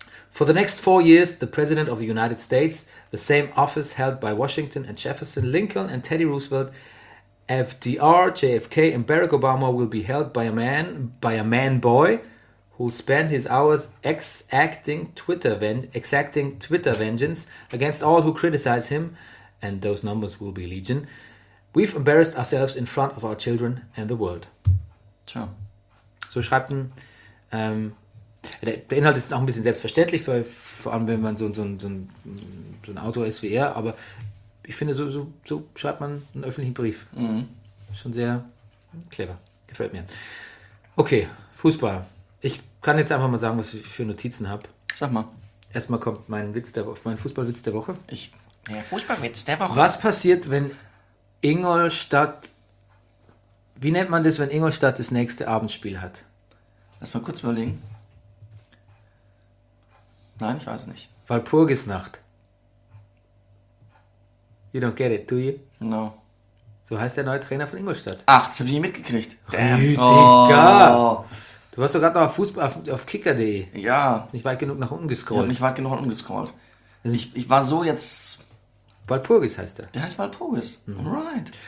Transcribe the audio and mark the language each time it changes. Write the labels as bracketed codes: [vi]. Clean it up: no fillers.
[en] For the next 4 years, the President of the United States, the same office held by Washington and Jefferson, Lincoln and Teddy Roosevelt, FDR, JFK and Barack Obama will be held by a man boy who'll spend his hours exacting Twitter vengeance against all who criticize him, and those numbers will be legion. We've embarrassed ourselves in front of our children and the world. [de] Ciao. So schreibt ein, der Inhalt ist auch ein bisschen selbstverständlich, vor allem wenn man so ein Autor ist wie er, aber ich finde, so schreibt man einen öffentlichen Brief. Mhm. Schon sehr clever, gefällt mir. Okay, Fußball. Ich kann jetzt einfach mal sagen, was ich für Notizen habe. Sag mal. Erstmal kommt mein Fußballwitz der Woche. Fußballwitz der Woche. Was passiert, wenn Ingolstadt... Wie nennt man das, wenn Ingolstadt das nächste Abendspiel hat? Lass mal kurz überlegen. Nein, ich weiß es nicht. [en] Walpurgisnacht. You don't get it, do you? No. [de] So heißt der neue Trainer von Ingolstadt. Ach, das habe ich nicht mitgekriegt. Rüdiger! Oh. Du warst doch gerade noch auf Fußball auf kicker.de. Ja. Nicht weit genug nach unten gescrollt. Ich hab nicht weit genug nach unten gescrollt. Also ich war so jetzt. Walpurgis heißt er. Der heißt Walpurgis. Mhm. Alright.